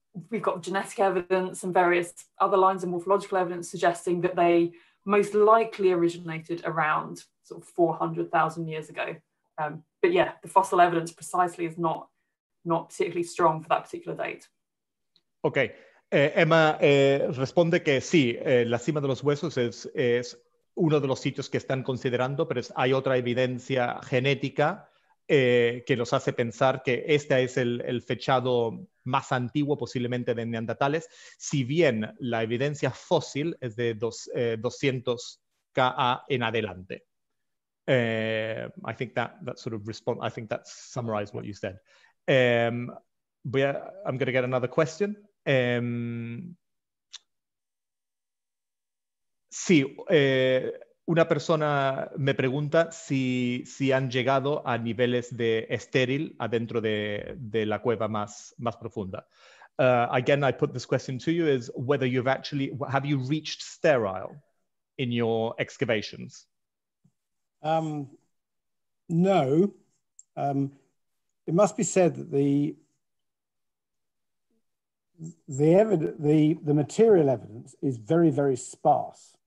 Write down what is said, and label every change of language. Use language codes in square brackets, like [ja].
[en] We've got genetic evidence and various other lines of morphological evidence suggesting that they most likely originated around sort of 400,000 years ago. But yeah, the fossil evidence precisely is not particularly strong for that particular date. Okay. [es] Emma responde que sí, la cima de los huesos es uno de los sitios que están considerando, pero hay otra evidencia genética que los hace pensar que este es el fechado más antiguo posiblemente de neandertales, si bien la evidencia fósil es de 200 KA en adelante. [en] I think that summarized what you said. I'm going to get another question. [es] Sí, Una persona me pregunta si han llegado a niveles de estéril adentro de la cueva más profunda. [en] Again, I put this question to you is whether you've actually, have you reached sterile in your excavations? No. It must be said that the material evidence is very, very sparse.